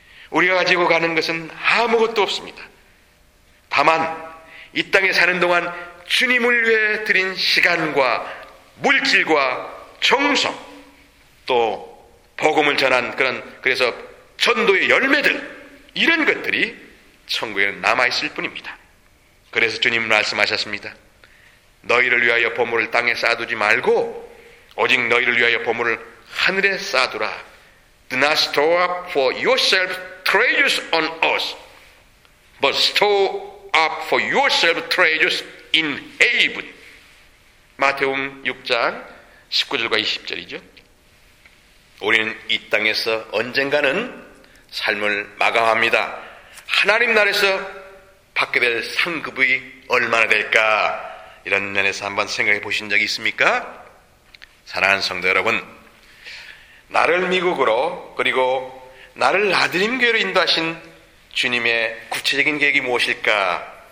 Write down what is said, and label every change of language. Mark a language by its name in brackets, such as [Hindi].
[Korean] 우리가 가지고 가는 것은 아무것도 없습니다. 다만 이 땅에 사는 동안 주님을 위해 드린 시간과 물질과 정성, 또 복음을 전한 그런, 그래서 전도의 열매들, 이런 것들이 천국에는 남아있을 뿐입니다. 그래서 주님 말씀하셨습니다. 너희를 위하여 보물을 땅에 쌓아두지 말고 오직 너희를 위하여 보물을 하늘에 쌓아두라. [English] Do not store up for yourself treasures on earth, but store up for yourself treasures in heaven. [Korean] 마태복음 6장 19절과 20절이죠. 우리는 이 땅에서 언젠가는 삶을 마감합니다. 하나님 나라에서 받게 될 상급이 얼마나 될까? 이런 면에서 한번 생각해 보신 적이 있습니까? 사랑하는 성도 여러분, 나를 미국으로, 그리고 나를 나드림교회로 인도하신 주님의 구체적인 계획이 무엇일까?